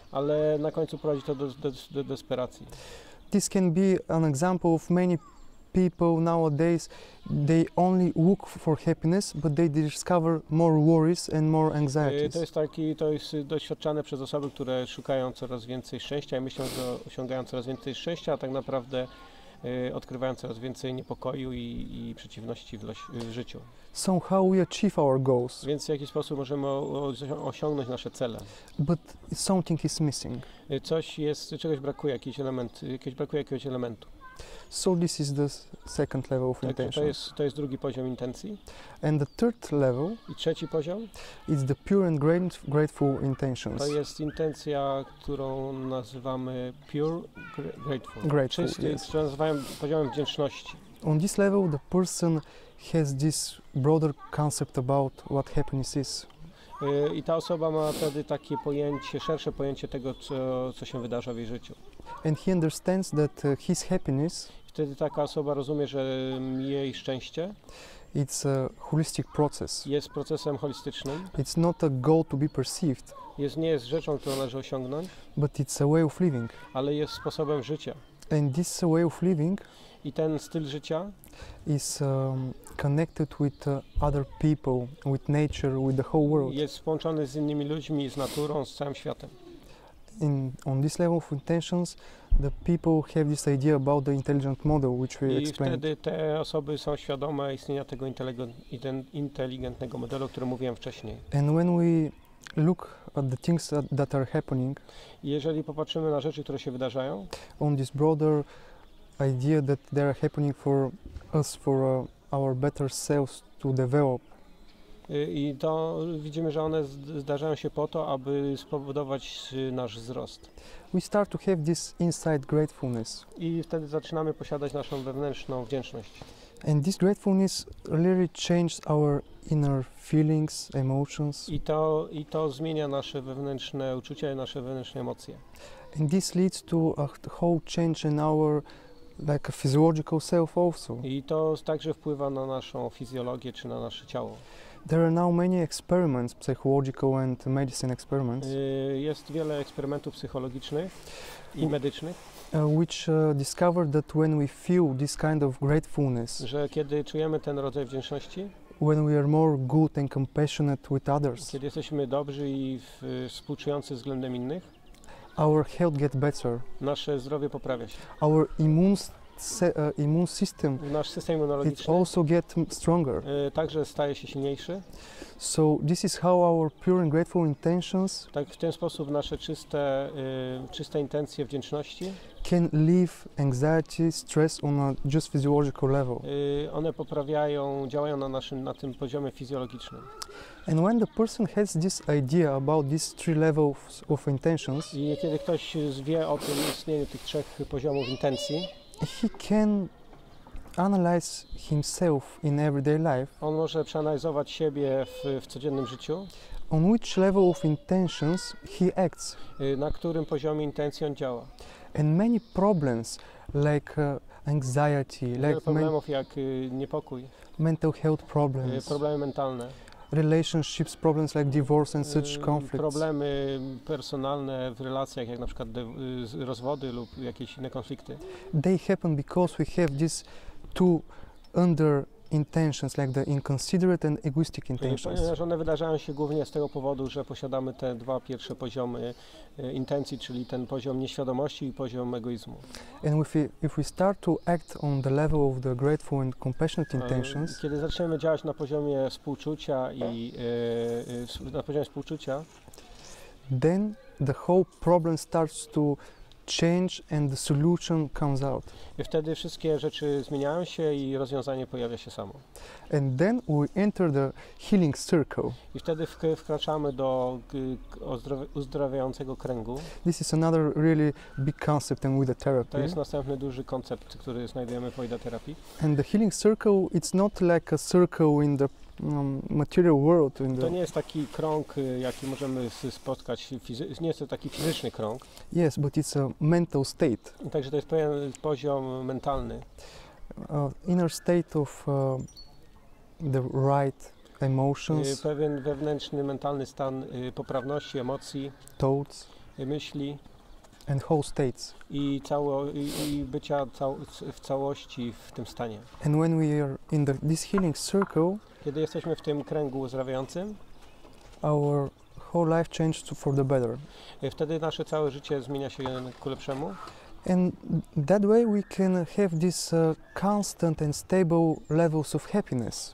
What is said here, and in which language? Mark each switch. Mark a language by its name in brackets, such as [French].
[Polish] Ale na końcu prowadzi to do desperacji. [English] This can be an example of many people nowadays. They only look for happiness, but they discover more worries and more anxieties. [Polish] To jest doświadczane przez osoby, które szukają coraz więcej szczęścia i myślą, że osiągają coraz więcej szczęścia, a tak naprawdę odkrywając coraz więcej niepokoju i przeciwności w życiu. [English] Somehow we achieve our goals. [Polish] Więc w jakiś sposób możemy osiągnąć nasze cele. [English] But something is missing. [Polish] Coś jest, czegoś brakuje, jakiś element, brakuje jakiegoś elementu. [English] So this is the second level of intention. [Polish] Tak, to jest drugi poziom intencji. [English] And the third level. [Polish] I trzeci poziom. [English] It's the pure and grateful intentions. [Polish] To jest intencja, którą nazywamy [English] pure grateful. Grateful. Yes. [Polish] Nazywamy poziomem wdzięczności. [English] On this level, the person has this broader concept about what happiness is. [Polish] I ta osoba ma wtedy takie pojęcie, szersze pojęcie tego, co się wydarza w jej życiu. [English] And he understands that his happiness. [Polish] Wtedy taka osoba rozumie, że jej szczęście. [English] It's a holistic process. [Polish] Jest procesem holistycznym. [English] It's not a goal to be perceived. [Polish] Nie jest rzeczą, którą należy osiągnąć. [English] But it's a way of living. [Polish] Ale jest sposobem życia. [English] And this way of living. [Polish] I ten styl życia. [English] Is connected with other people, with nature, with the whole world. [Polish] Jest połączony z innymi ludźmi, z naturą, z całym światem. [English] In on this level of intentions, the people have this idea about the intelligent model, which we [Polish] I [English] explained. [Polish] I wtedy te osoby są świadome istnienia tego inteligentnego modelu, o którym mówiłem wcześniej. [English] And when we look at the things that are happening, [Polish] jeżeli popatrzymy na rzeczy, które się wydarzają, [English] on this broader idea that they are happening for us, for our better selves to develop. [Polish] I to widzimy, że one zdarzają się po to, aby spowodować nasz wzrost. [English] We start to have this inside gratefulness. [Polish] I wtedy zaczynamy posiadać naszą wewnętrzną wdzięczność. [English] And this gratefulness really changes our inner feelings, emotions. [Polish] I to zmienia nasze wewnętrzne uczucia i nasze wewnętrzne emocje. [English] And this leads to a whole change in our like a physiological self also. [Polish] I to także wpływa na naszą fizjologię czy na nasze ciało. [English] There are now many experiments, psychological and medicine experiments. [Polish] Jest wiele eksperymentów psychologicznych i medycznych, [English] which discover that when we feel this kind of gratefulness, [Polish] że kiedy czujemy ten rodzaj wdzięczności, [English] when we are more good and compassionate with others, [Polish] kiedy jesteśmy dobrzy i współczujący względem innych, [English] our health gets better. [Polish] Nasze zdrowie poprawia się. [English] Our immune system. [Polish] Nasz system immunologiczny. [English] It also get stronger. [Polish] Także staje się silniejszy. [English] So this is how our pure and grateful intentions. [Polish] Tak w ten sposób nasze czyste intencje wdzięczności. [English] Can leave anxiety, stress on a just physiological level. [Polish] One poprawiają, działają na tym poziomie fizjologicznym. [English] And when the person has this idea about these three levels of intentions. [Polish] I kiedy ktoś wie o tym istnieniu tych trzech poziomów intencji. [English] He can analyze himself in everyday life. [Polish] On może przeanalizować siebie w codziennym życiu. [English] On which level of intentions he acts. [Polish] Na którym poziomie intencji on działa. [English] And many problems like anxiety, [Polish] niepokój. [English] Mental health problems. [Polish] Problemy mentalne. [English] Relationships problems like divorce and such conflicts. [Polish] Problemy personalne w relacjach, jak na przykład rozwody lub jakieś inne konflikty. [English] They happen because we have these two under intentions, like the inconsiderate and egoistic intentions. [Polish] Ponieważ one wydarzają się głównie z tego powodu, że posiadamy te dwa pierwsze poziomy intencji, czyli ten poziom nieświadomości i poziom egoizmu. [English] And if we start to act on the level of the grateful and compassionate intentions, [Polish] kiedy zaczniemy działać na poziomie współczucia i na poziomie współczucia, [English] then the whole problem starts to change and the solution comes out. [Polish] I wtedy wszystkie rzeczy zmieniają się i rozwiązanie pojawia się samo. [English] And then we enter the healing circle. [Polish] I wtedy wkraczamy do uzdrawiającego kręgu. [English] This is another really big concept in Ouida therapy. [Polish] To jest następny duży koncept, który znajdujemy w Ouida terapii. [English] And the healing circle, it's not like a circle in the material world. [Polish] To nie jest taki krąg, jaki możemy spotkać, nie jest to taki fizyczny krąg. [English] Yes, but it's a mental state. [Polish] Także to jest pewien poziom mentalny. [English] Inner state of the right emotions. [Polish] Pewien wewnętrzny mentalny stan poprawności, emocji. [English] Thoughts. [Polish] Myśli. [English] And whole states. [Polish] I bycia w całości w tym stanie. [English] And when we are in this healing circle, [Polish] kiedy jesteśmy w tym kręgu uzdrawiającym, [English] our whole life changes for the better. [Polish] Wtedy nasze całe życie zmienia się ku lepszemu. [English] And that way we can have this constant and stable levels of happiness.